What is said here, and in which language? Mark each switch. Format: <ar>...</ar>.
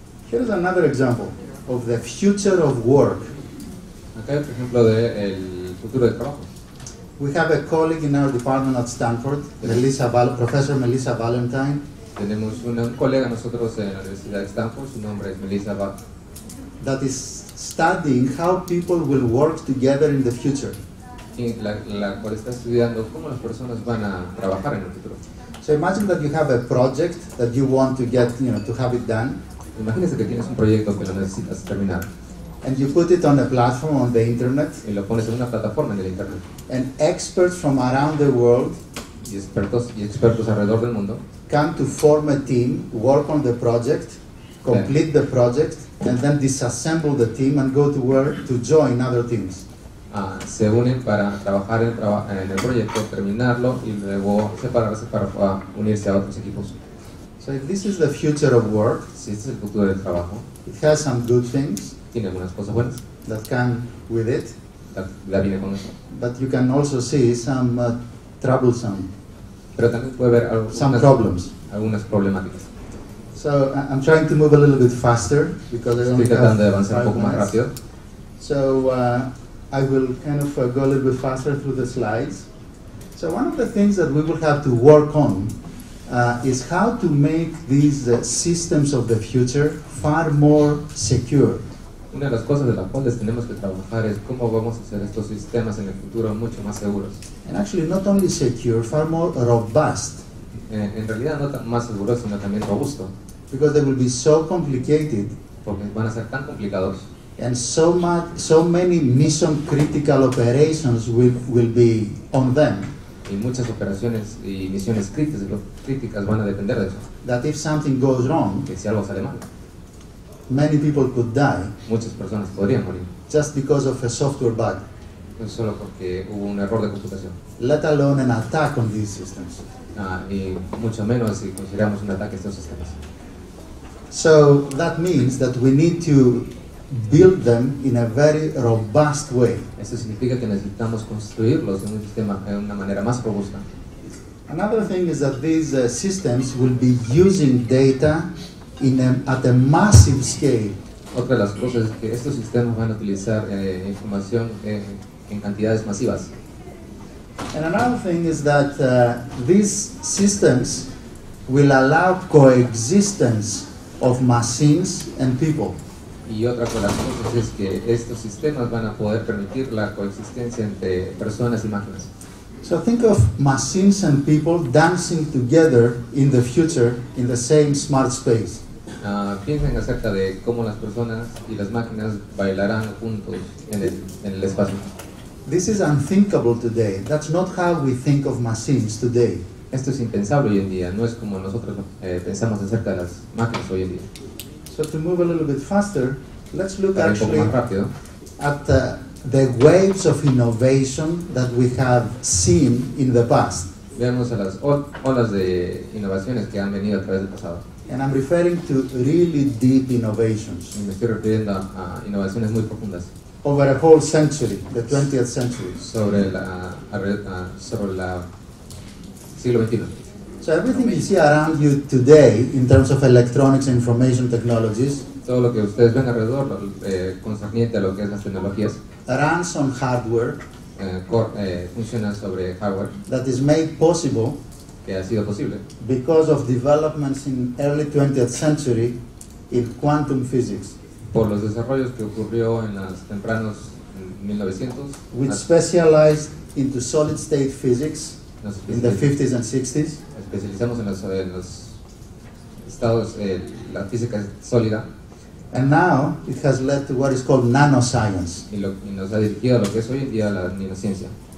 <en>Here's another example of the future of work.</en> <es>Acá hay otro ejemplo del futuro del trabajo.</es> <en>We have a colleague in our department at Stanford, Professor Melissa Valentine.</en> <es>Tenemos un colega nosotros en la Universidad de Stanford, su nombre es Melissa Bach.</es> <en>That is studying how people will work together in the future.</en> <es>La cual está estudiando cómo las personas van a trabajar en el futuro.</es> <en>So imagine that you have a project that you want to get, you know, to have it done.</en> <es>Imagínese que tienes un proyecto que lo necesitas terminar.</es> <en>And you put it on a platform on the internet.</en> <es>Y lo pones en una plataforma en el internet.</es> <en>And experts from around the world.</en> <es>Y expertos alrededor del mundo.</es> <en>Come to form a team, work on the project, complete the project, and then disassemble the team and go to work to join other teams.</en> <es>Se unen para trabajar en el proyecto, terminarlo y luego separarse para unirse a otros equipos.</es> <en>So if this is the future of work,</en> <es>si este es el futuro del trabajo,</es> <en>it has some good things,</en> <es>tiene algunas cosas buenas,</es> <en>that come with it,</en> <es>that viene con eso.</es> <en>But you can also see some troublesome,</en> <es>pero también puede haber algunas problemáticas.</es> <en>So I'm trying to move a little bit faster because</en> <es>estoy tratando de avanzar un poco más rápido.</es> <en>So I will kind of go a little bit faster through the slides. So one of the things that we will have to work on is how to make these systems of the future far more secure.</en> <es>Una de las cosas de las cuales tenemos que trabajar es cómo vamos a hacer estos sistemas en el futuro mucho más seguros.</es> <en>And actually not only secure, far more robust.</en> <es>En realidad no más seguro, sino también robusto.</es> <en>Because they will be so complicated.</en> <es>Porque van a ser tan complicados.</es> <en>And so many mission critical operations will be on them.</en> <es>Y muchas operaciones y misiones críticas van a depender de eso.</es> <en>That if something goes wrong,</en> <es>que si algo sale mal,</es> <en>many people could die.</en> <es>Muchas personas podrían morir.</es> <en>Just because of a software bug.</en> <es>No solo porque hubo un error de computación.</es> <en>Let alone an attack on these systems.</en> <es>Y mucho menos si consideramos un ataque a estos sistemas.</es> <en>So that means that we need to build them in a very robust way.</en> <es>Eso significa que necesitamos construirlos en un sistema de una manera más robusta.</es> <en>Another thing is that these systems will be using data at a massive scale.</en> <es>Otra de las cosas es que estos sistemas van a utilizar información en cantidades masivas.</es> <en>And another thing is that these systems will allow coexistence of machines and people.</en> <es>Y otra de las cosas es que estos sistemas van a poder permitir la coexistencia entre personas y máquinas.</es> <en>So think of machines and people dancing together in the future in the same smart space.</en> <es>Piensen acerca de cómo las personas y las máquinas bailarán juntos en el espacio.</es> <en>This is unthinkable today. That's not how we think of machines today.</en> <es>Esto es impensable hoy en día. No es como nosotros pensamos acerca de las máquinas hoy en día.</es> <en>So to move a little bit faster, let's look actually at the waves of innovation that we have seen in the past.</en> <es>Veamos a las olas de innovaciones que han venido a través del pasado.</es> <en>And I'm referring to really deep innovations.</en> <es>Me estoy refiriendo a innovaciones muy profundas.</es> <en>Over a whole century, the 20th century.</en> <es>Sobre el siglo XXI.</es> <en>So everything you see around you today, in terms of electronics and information technologies,</en> <es>todo lo que ustedes ven alrededor, concerniente a lo que es las tecnologías,</es> <en>runs on hardware.</en> <es>Funciona sobre hardware.</es> <en>That is made possible.</en> <es>Que ha sido posible.</es> <en>Because of developments in early 20th century in quantum physics.</en> <es>Por los desarrollos que ocurrió en las tempranos 1900,</es> <en>which specialized into solid state physics in the 50s and 60s.</en> <es>Especializamos en los estados la física sólida.</es> <en>And now it has led to what is called nanoscience.</en> <es>Y nos ha dirigido a lo que es hoy en día la nanociencia.</es>